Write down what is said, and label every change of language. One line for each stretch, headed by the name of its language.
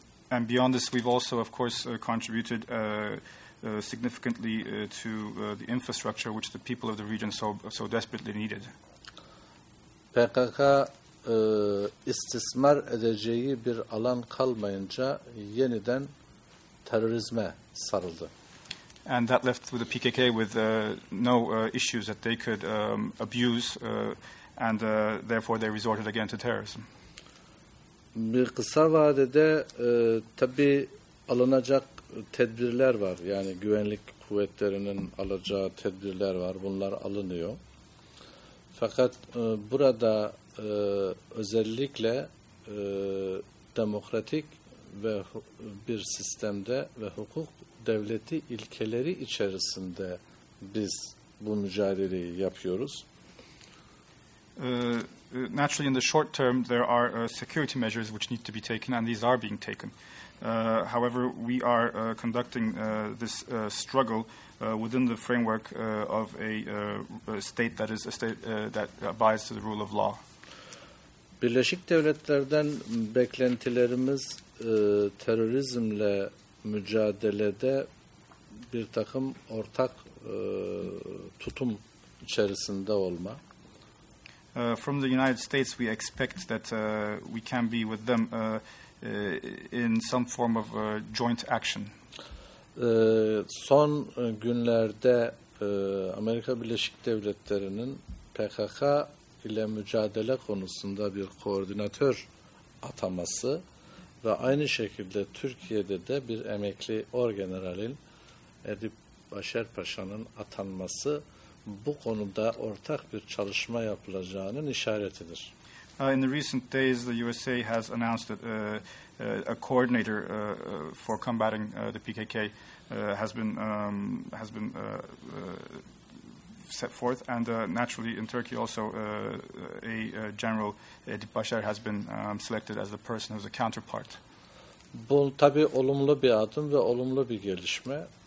English: And beyond this, we've also, of course, contributed significantly to the infrastructure which the people of the region so desperately needed.
Turkish: PKK istismar edeceği bir alan kalmayınca yeniden terörizme sarıldı.
English: And that left the PKK with no issues that they could abuse, and therefore they resorted again to terrorism.
Turkish: Bir kısa vadede tabii alınacak tedbirler var. Yani güvenlik kuvvetlerinin alacağı tedbirler var. Bunlar alınıyor. Fakat burada özellikle demokratik ve bir sistemde ve hukuk devleti ilkeleri içerisinde biz bu mücadeleyi yapıyoruz.
English: Naturally, in the short term, there are security measures which need to be taken, and these are being taken. However, we are conducting this struggle within the framework of a state that is a state that abides to the rule of law.
Turkish: Birleşik Devletler'den beklentilerimiz terörizmle mücadelede bir takım ortak tutum içerisinde olma.
English: From the United States, we expect that we can be with them in some form of joint action.
Turkish: Son günlerde Amerika Birleşik Devletleri'nin PKK ile mücadele konusunda bir koordinatör ataması ve aynı şekilde Türkiye'de de bir emekli orgeneralin Edip Başer Paşa'nın atanması bu konuda ortak bir çalışma yapılacağının işaretidir.
English: In the recent days, the USA has announced that a coordinator for combating the PKK has been set forth, and naturally in Turkey also general Edip Başer has been selected as the person who's a counterpart.
Turkish: Bu tabii olumlu bir adım ve olumlu bir gelişme.